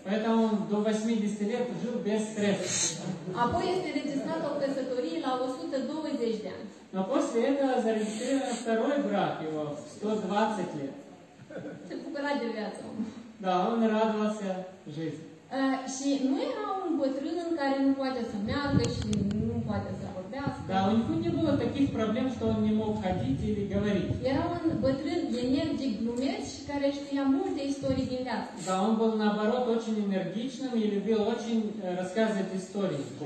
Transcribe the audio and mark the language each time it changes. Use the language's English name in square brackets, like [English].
[Russian] Поэтому он до 80 лет жил без стресса. [Romanian] Apoi este înregistrată o căsătorie la 120 de ani. [Russian] Но после этого зарегистрирован второй брак его в 120 лет. [Romanian] Se bucura de viață. [Russian] Да, он радовался жизни. [Romanian] Și nu era un bătrân în care nu poate să meargă și nu poate să vorbească. [Russian] Да, у него не было таких проблем, что он не мог ходить или говорить. [Romanian] Era un bătrân energic, glumeț și care știa multe istorii din viață. [Russian] Да, он был наоборот очень энергичным и любил очень рассказывать истории.